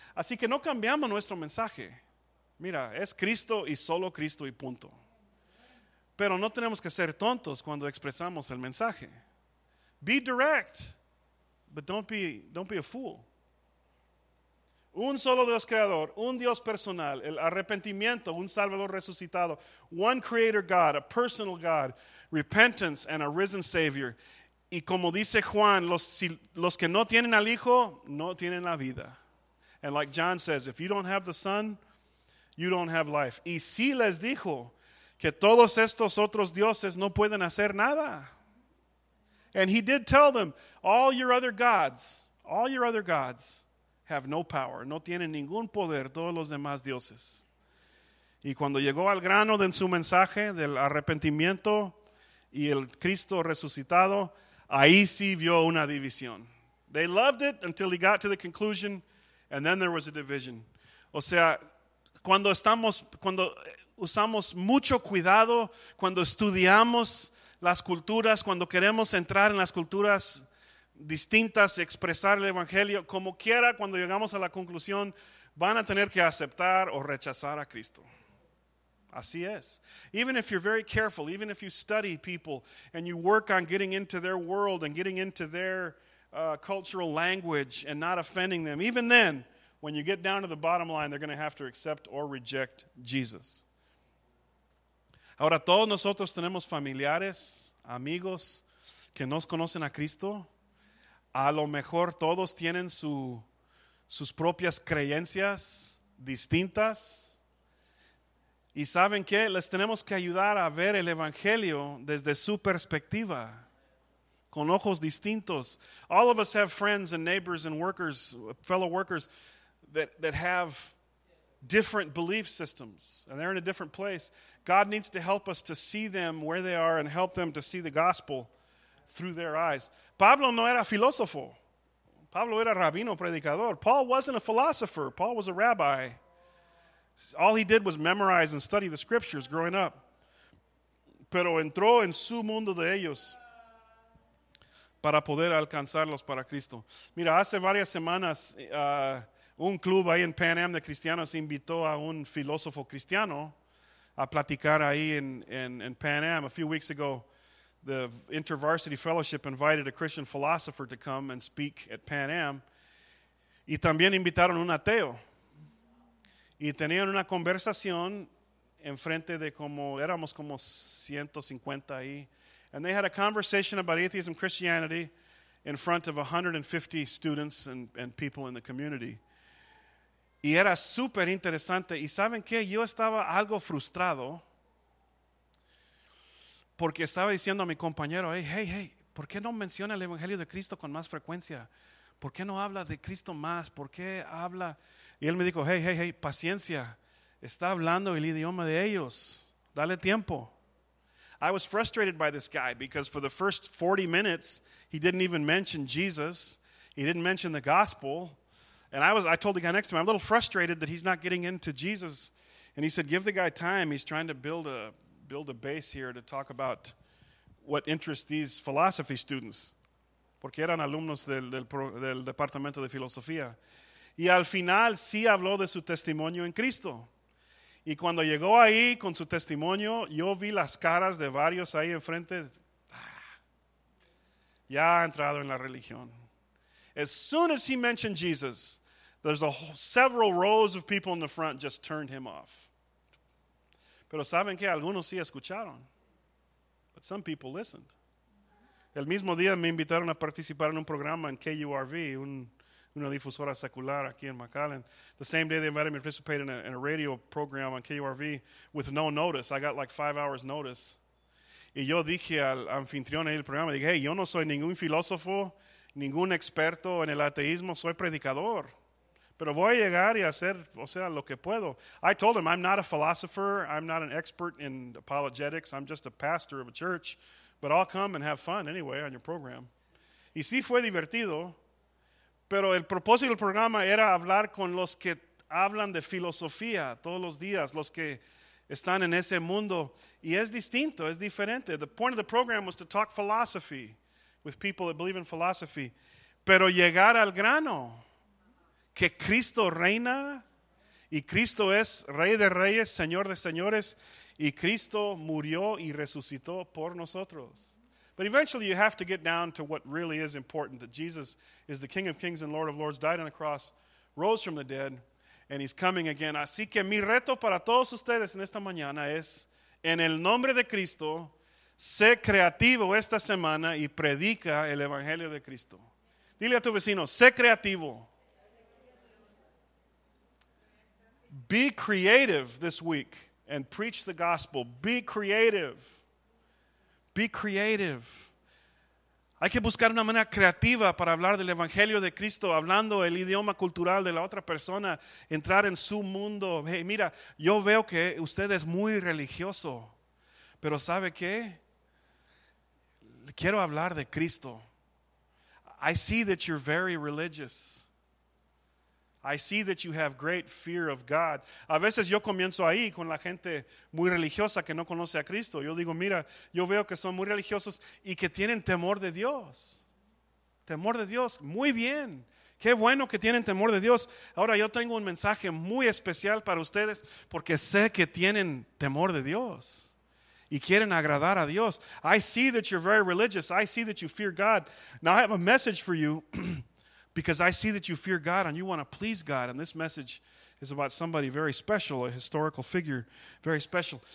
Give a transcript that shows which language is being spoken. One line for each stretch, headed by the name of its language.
Spanish: Así que no cambiamos nuestro mensaje. Mira, es Cristo y solo Cristo y punto. Pero no tenemos que ser tontos cuando expresamos el mensaje.
English: Be direct, but don't be a fool.
Spanish: Un solo Dios creador, un Dios personal, el arrepentimiento, un Salvador resucitado,
English: one creator God, a personal God, repentance and a risen Savior.
Spanish: Y como dice Juan, los que no tienen al Hijo, no tienen la vida.
English: And like John says, if you don't have the Son, you don't have life.
Spanish: Y si les dijo que todos estos otros dioses no pueden hacer nada.
English: And he did tell them, all your other gods have no power.
Spanish: No tienen ningún poder todos los demás dioses. Y cuando llegó al grano de su mensaje del arrepentimiento y el Cristo resucitado, ahí sí vio una división.
English: They loved it until he got to the conclusion, and then there was a division.
Spanish: O sea, cuando usamos mucho cuidado, cuando estudiamos las culturas, cuando queremos entrar en las culturas distintas, expresar el evangelio, como quiera, cuando llegamos a la conclusión, van a tener que aceptar o rechazar a Cristo. Así es.
English: Even if you're very careful, even if you study people and you work on getting into their world and getting into their cultural language and not offending them, even then, when you get down to the bottom line, they're going to have to accept or reject Jesus.
Spanish: Ahora, todos nosotros tenemos familiares, amigos que nos conocen a Cristo. A lo mejor todos tienen sus propias creencias distintas. Y saben que les tenemos que ayudar a ver el evangelio desde su perspectiva, con ojos distintos.
English: All of us have friends and neighbors and workers, fellow workers, that have different belief systems, and they're in a different place. God needs to help us to see them where they are and help them to see the gospel through their eyes.
Spanish: Pablo no era filósofo. Pablo era rabino predicador.
English: Paul wasn't a philosopher. Paul was a rabbi. All he did was memorize and study the scriptures growing up.
Spanish: Pero entró en su mundo de ellos para poder alcanzarlos para Cristo. Mira, hace varias semanas, un club ahí en Pan Am de cristianos invitó a un filósofo cristiano a platicar ahí en Pan Am.
English: A few weeks ago, the InterVarsity Fellowship invited a Christian philosopher to come and speak at Pan Am.
Spanish: Y también invitaron un ateo. Y tenían una conversación en frente de como, éramos como 150 ahí.
English: And they had a conversation about atheism, Christianity, in front of 150 students and people in the community.
Spanish: Y era súper interesante. Y saben qué, yo estaba algo frustrado porque estaba diciendo a mi compañero, hey, ¿por qué no menciona el evangelio de Cristo con más frecuencia? ¿Por qué no habla de Cristo más? ¿Por qué habla? Y él me dijo, hey, paciencia. Está hablando el idioma de ellos. Dale tiempo.
English: I was frustrated by this guy because for the first 40 minutes, he didn't even mention Jesus. He didn't mention the gospel. And I told the guy next to me, I'm a little frustrated that he's not getting into Jesus. And he said, give the guy time. He's trying to build a base here to talk about what interests these philosophy students.
Spanish: Porque eran alumnos del departamento de filosofía. Y al final sí habló de su testimonio en Cristo. Y cuando llegó ahí con su testimonio, yo vi las caras de varios ahí enfrente. Ya ha entrado en la religión.
English: As soon as he mentioned Jesus, there's several rows of people in the front just turned him off.
Spanish: Pero saben que algunos sí escucharon.
English: But some people listened.
Spanish: El mismo día me invitaron a participar en un programa en KURV, una difusora secular aquí en McAllen.
English: The same day they invited me to participate in a radio program on KURV with no notice. I got like 5 hours notice.
Spanish: Y yo dije al anfitrión del programa, dije, hey, yo no soy ningún filósofo, ningún experto en el ateísmo, soy predicador. Pero voy a llegar y hacer, o sea, lo que puedo.
English: I told him, I'm not a philosopher, I'm not an expert in apologetics, I'm just a pastor of a church, but I'll come and have fun anyway on your program.
Spanish: Y sí fue divertido, pero el propósito del programa era hablar con los que hablan de filosofía todos los días, los que están en ese mundo, y es distinto, es diferente.
English: The point of the program was to talk philosophy with people that believe in philosophy,
Spanish: pero llegar al grano, que Cristo reina, y Cristo es Rey de Reyes, Señor de Señores, y Cristo murió y resucitó por nosotros.
English: But eventually you have to get down to what really is important, that Jesus is the King of Kings and Lord of Lords, died on the cross, rose from the dead, and he's coming again.
Spanish: Así que mi reto para todos ustedes en esta mañana es, en el nombre de Cristo, sé creativo esta semana y predica el Evangelio de Cristo. Dile a tu vecino, sé creativo.
English: Be creative this week and preach the gospel. Be creative. Be creative.
Spanish: Hay que buscar una manera creativa para hablar del Evangelio de Cristo, hablando el idioma cultural de la otra persona, entrar en su mundo. Hey, mira, yo veo que usted es muy religioso, pero ¿sabe qué? Quiero hablar de Cristo.
English: I see that you're very religious. I see that you have great fear of God.
Spanish: A veces yo comienzo ahí con la gente muy religiosa que no conoce a Cristo. Yo digo, mira, yo veo que son muy religiosos y que tienen temor de Dios. Temor de Dios. Muy bien. Qué bueno que tienen temor de Dios. Ahora yo tengo un mensaje muy especial para ustedes porque sé que tienen temor de Dios y quieren agradar a Dios.
English: I see that you're very religious. I see that you fear God. Now I have a message for you. Because I see that you fear God and you want to please God. And this message is about somebody very special, a historical figure, very special.